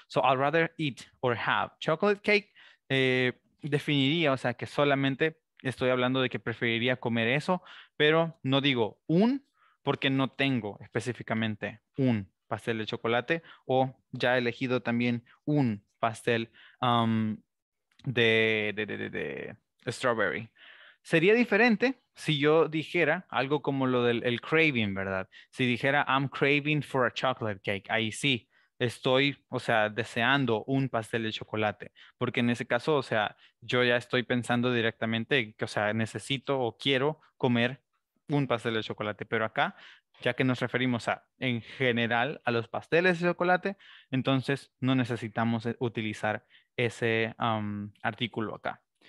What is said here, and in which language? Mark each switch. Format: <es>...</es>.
<en>So, I'd rather eat or have chocolate cake.</en> <es>Definiría, o sea, que solamente estoy hablando de que preferiría comer eso, pero no digo un porque no tengo específicamente un pastel de chocolate o ya he elegido también un pastel de strawberry. Sería diferente si yo dijera algo como lo del el craving, ¿verdad? Si dijera,</es> <en>I'm craving for a chocolate cake.</en> <es>Ahí sí, estoy, o sea, deseando un pastel de chocolate. Porque en ese caso, o sea, yo ya estoy pensando directamente que, o sea, necesito o quiero comer un pastel de chocolate. Pero acá, ya que nos referimos a, en general, a los pasteles de chocolate, entonces no necesitamos utilizar ese artículo acá.</es>